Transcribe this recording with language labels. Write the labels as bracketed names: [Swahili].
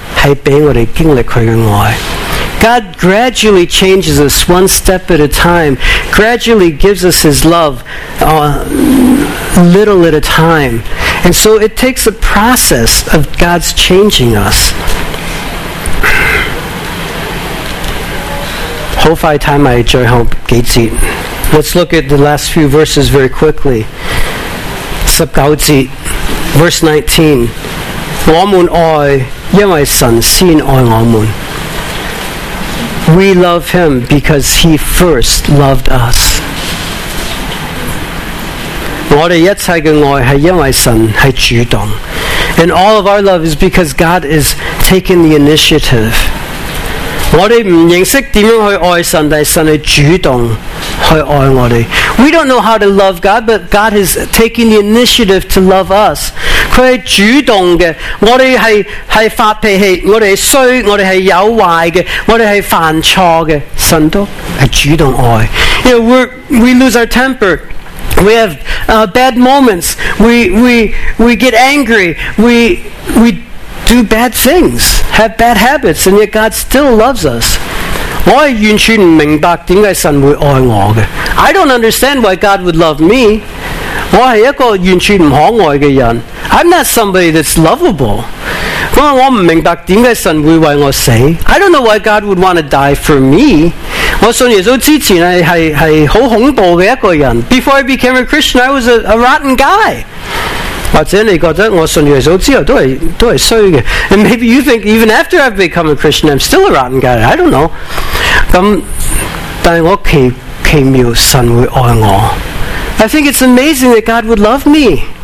[English] God gradually changes us one step at a time, gradually gives us his love little at a time. And so it takes a process of God's changing us. [Cantonese] 好快睇埋最后几节。 [English] Let's look at the last few verses very quickly. [Cantonese] 十九节 ， [English] verse 19。 [Cantonese] 我们爱，因为神先爱我们。 [English] We love him because he first loved us. [Cantonese] 我哋一切嘅爱系因为神系主动。 [English] And all of our love is because God is taking the initiative. [Cantonese] 我哋唔认识点样去爱神，但系神系主动去爱我哋。 [English] We don't know how to love God, but God is taking the initiative to love us. [Cantonese] 佢系主动嘅，我哋系发脾气，我哋系衰，我哋系有坏嘅，我哋系犯错嘅，神都系主动爱。 [English] You know, we lose our temper. We have bad moments. We get angry. We do bad things. Have bad habits, and yet God still loves us. [Cantonese] 我係完全唔明白點解神會愛我嘅。 [English] I don't understand why God would love me. [Cantonese] 我係一個完全唔可愛嘅人。 [English] I'm not somebody that's lovable. [Cantonese] 我唔明白點解神會為我死。 [English] I don't know why God would want to die for me. [Cantonese] 我信耶稣之前系好恐怖嘅一个人。 [English] Before I became a Christian, I was a rotten guy. [Cantonese] 或者你觉得我信耶稣之后都系衰嘅。 [English] And maybe you think even after I've become a Christian, I'm still a rotten guy. I don't know. [Cantonese] 咁，但系我奇妙神会爱我。 [English] I think it's amazing that God would love me.